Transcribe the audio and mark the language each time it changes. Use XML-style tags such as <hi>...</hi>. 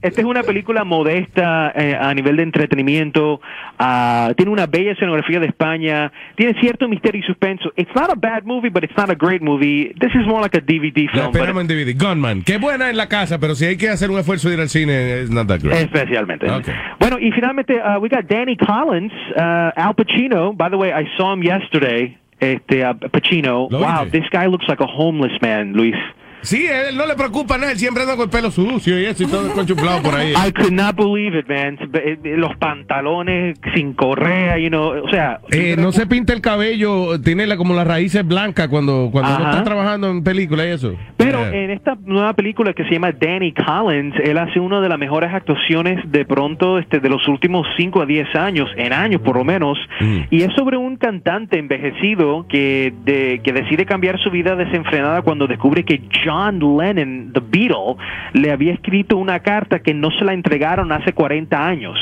<es>Esta es una película modesta a nivel de entretenimiento. Tiene una bella escenografía de España. Tiene cierto misterio y suspenso.</es> <en>It's not a bad movie, but it's not a great movie. This is more like a DVD film.</en> <es>Esperamos en DVD. Gunman. Qué buena en la casa, pero si hay que hacer un esfuerzo de ir al cine,</es> <en>it's not that great.</en> <es>Especialmente. Okay. Bueno, y finalmente,</es> <en>we got Danny Collins, Al Pacino. By the way, I saw him yesterday. Pacino. Wow, this guy looks like a homeless man, Luis.</en> <es>Sí, él no le preocupa nada, él siempre anda con el pelo sucio y eso y todo conchuflado por ahí.</es> <en>I could not believe it, man.</en> <es>Los pantalones sin correa,</es> <en>you know, o sea,</en> <es>no se pinta el cabello, tiene la, como las raíces blancas cuando uh-huh. no está trabajando en película y eso. Pero en esta nueva película que se llama Danny Collins, él hace una de las mejores actuaciones de pronto de los últimos 5 a 10 años, en años por lo menos, y es sobre un cantante envejecido que decide cambiar su vida desenfrenada cuando descubre que John Lennon, The Beatle, le había escrito una carta que no se la entregaron hace 40 años.</es>